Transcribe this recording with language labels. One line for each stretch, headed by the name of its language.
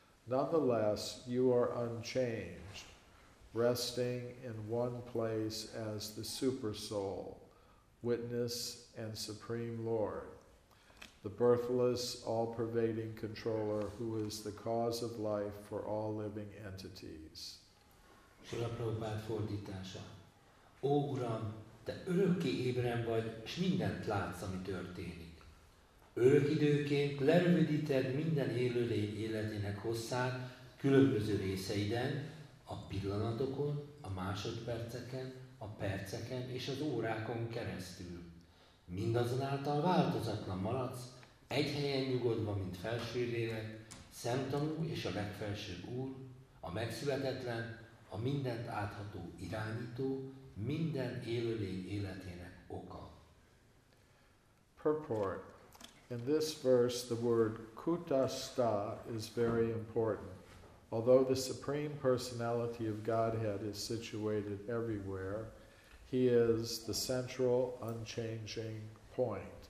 English: Nonetheless, You are unchanged, resting in one place as the Supersoul, Witness and Supreme Lord, the birthless, all-pervading controller who is the cause of life for all living entities.
Hungarian: Srila Prabhupada fordítása. Ó Uram, Te örökké ébren vagy, s mindent látsz, ami történik. Örök időként lerövidíted minden élőlény életének hosszát különböző részeiden, a pillanatokon, a másodperceken, a perceken és az órákon keresztül. Mindazonáltal változatlan maradsz, egy helyen nyugodva, mint felső lélek, szemtanú és a legfelsőbb úr, a megszületetlen, a mindent átható irányító, minden élőlény életének oka.
English: Purport. In this verse, the word kutasta is very important. Although the Supreme Personality of Godhead is situated everywhere, He is the central, unchanging point.